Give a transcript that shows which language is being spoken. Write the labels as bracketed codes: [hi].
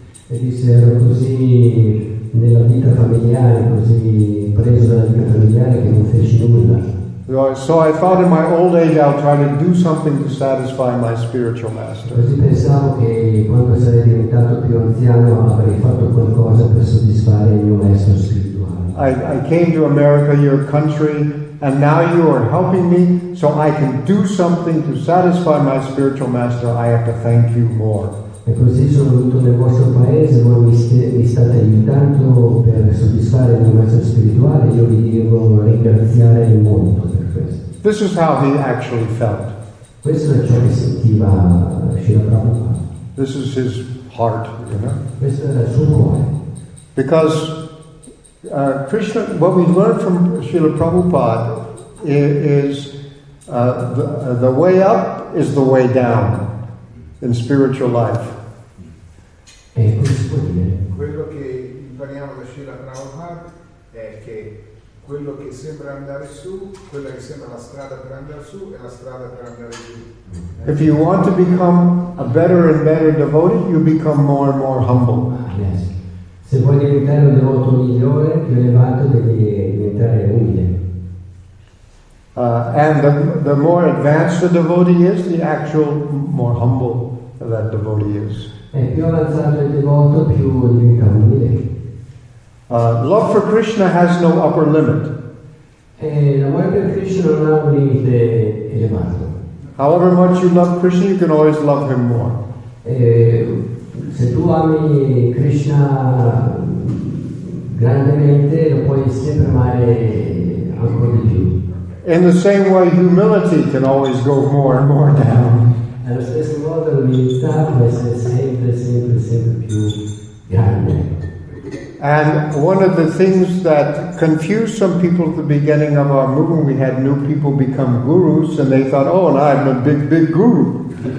[it] E disse ero così nella vita familiare, così preso dalla vita familiare che non feci nulla. [en] So I thought in my old age I'll try to do something to satisfy my spiritual master. [it] Così pensavo che quando sarei diventato più anziano avrei fatto qualcosa per soddisfare il mio maestro spirituale. [en] I came to America, your country, and now you are helping me, so I can do something to satisfy my spiritual master. I have to thank you more. [it] E così sono venuto nel vostro paese, voi mi state aiutando per soddisfare il mio maestro spirituale, io vi devo ringraziare molto per questo. [en] This is how he actually felt. [it] Questo è ciò che sentiva Srila Prabhupada. [en] This is his heart, you know? [it] Questo era il suo cuore. [en] Because Krishna, what we learned from Srila Prabhupada is the way up is the way down. In spiritual life. [it] E questo vuol dire. Quello che impariamo da Srila Prabhupada è che quello che sembra andare su, quella che sembra la strada per andare su è la strada per andare giù. [en] If you want to become a better and better devotee, you become more and more humble. Yes. [it] Se vuoi diventare un devoto migliore, più elevato, devi diventare umile. [en] And the more advanced the devotee is, the actual more humble that devotee is. [it] E più avanzato il devoto, più diventa umile. [en] Love for Krishna has no upper limit. [it] E l'amore per Krishna non ha un limite elevato. [en] However much you love Krishna, you can always love him more. [it] Se tu ami Krishna grandemente, lo puoi sempre amare ancora di più. [en] In the same way, humility can always go more and more down. [it] Allo stesso modo, l'umiltà può essere sempre, sempre, sempre più grande. [en] And one of the things that confused some people at the beginning of our movement, we had new people become gurus, and they thought, oh, now I'm a big, big guru.